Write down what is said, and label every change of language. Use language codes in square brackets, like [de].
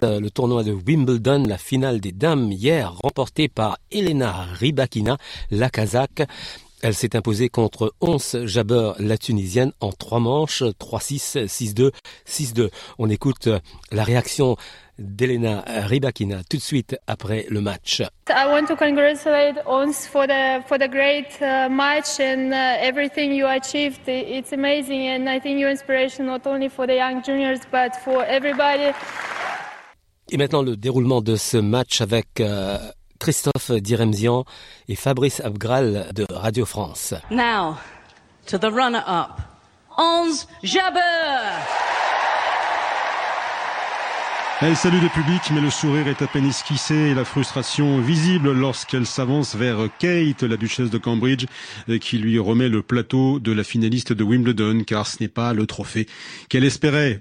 [fr] Le tournoi de Wimbledon, la finale des dames hier, remportée par Elena Rybakina, la Kazakh. Elle s'est imposée contre Ons Jabeur, la Tunisienne, en 3 manches, 3-6, 6-2, 6-2. On écoute la réaction d'Elena Rybakina tout de suite après le match. [en] I want to congratulate Ons for the great match and everything you achieved. It's amazing and I think you're inspiration not only for the young juniors but for everybody. [fr] Et maintenant le déroulement de ce match avec Christophe Diremzian et Fabrice Abgral de Radio France. [en] Now to the runner-up, Ons Jabeur. [fr] Elle salue le public, mais le sourire est à peine esquissé et la frustration visible lorsqu'elle s'avance vers Kate, la duchesse de Cambridge, qui lui remet le plateau de la finaliste de Wimbledon, car ce n'est pas le trophée qu'elle espérait.